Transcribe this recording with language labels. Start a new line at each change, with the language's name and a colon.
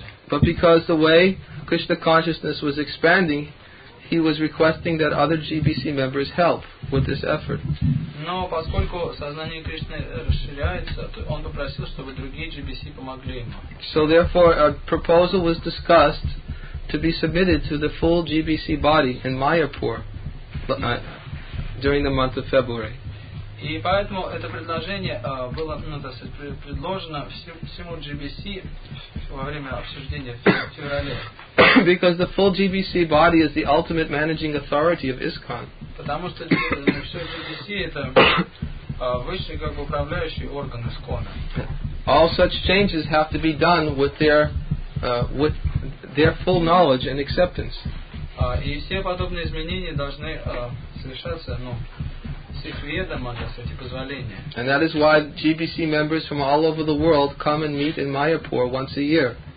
English: But because the way Krishna consciousness was expanding, he was requesting that other GBC members help with this effort.
Russian: Но поскольку сознание Кришны расширяется, то он попросил, чтобы другие GBC помогли ему.
English: So therefore, a proposal was discussed to be submitted to the full GBC body in Mayapur during the month of February.
Russian: И поэтому это предложение было, ну, то есть предложено всему GBC во время обсуждения в феврале.
English: Because the full GBC body is the ultimate managing authority of ISKCON.
Russian: Потому что все GBC это высший как бы управляющий орган ISKCON.
English: All such changes have to be done with their full knowledge and acceptance.
Russian: И все подобные изменения должны совершаться, ну,
English: and that is why GBC members from all over the world come and meet in Mayapur once a year.